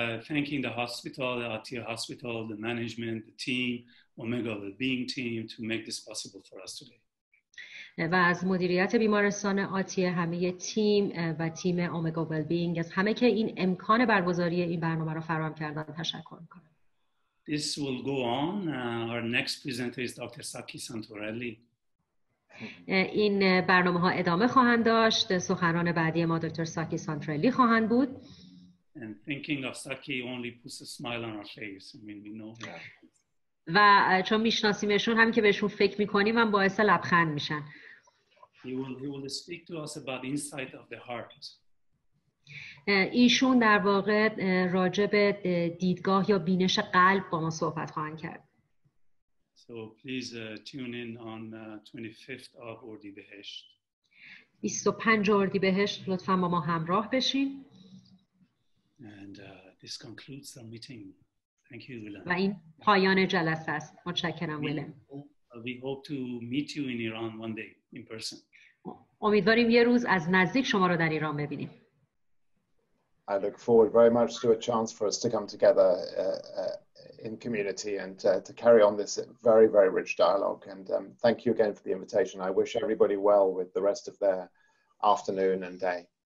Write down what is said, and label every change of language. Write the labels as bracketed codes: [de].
[en] Thanking the hospital, the Atiyah Hospital, the management, the team, Omega Wellbeing team to make this possible for us today. [fa] و از مدیریت بیمارستان آتیه، همه تیم و تیم اومگا ویلبینگ، از همه که این امکان برگزاری این برنامه را فراهم کردن تشکر میکنم. [en] This will go on. Our next presenter is Dr. Saki Santorelli. [fa] این برنامه ها ادامه خواهند داشت. سخنران بعدی ما دکتر ساکی سانترلی خواهند بود. [en] And thinking of Saki only puts a smile on our face. I mean, we know that. [fa] و چون میشناسیمشون هم که بهشون فکر میکنیم هم باعث لبخند میشن. [en] He will speak to us about inside of the heart. [fa] ایشون در واقع راجع به دیدگاه یا بینش قلب با ما صحبت خواهند کرد. [en] So please tune in on 25th of اردیبهشت. [fa] 25 اردیبهشت لطفا با ما همراه بشین. [en] And this concludes our meeting. Thank you, Willem. [fa] و این پایان جلسه است. متشکرم ولم. [en] We hope to meet you in Iran one day in person. [fa] امیدواریم یه روز از نزدیک شما رو در ایران ببینیم. [en] I look forward very much to a chance for us to come together in community and to carry on this very very rich dialogue. And thank you again for the invitation. I wish everybody well with the rest of their afternoon and day.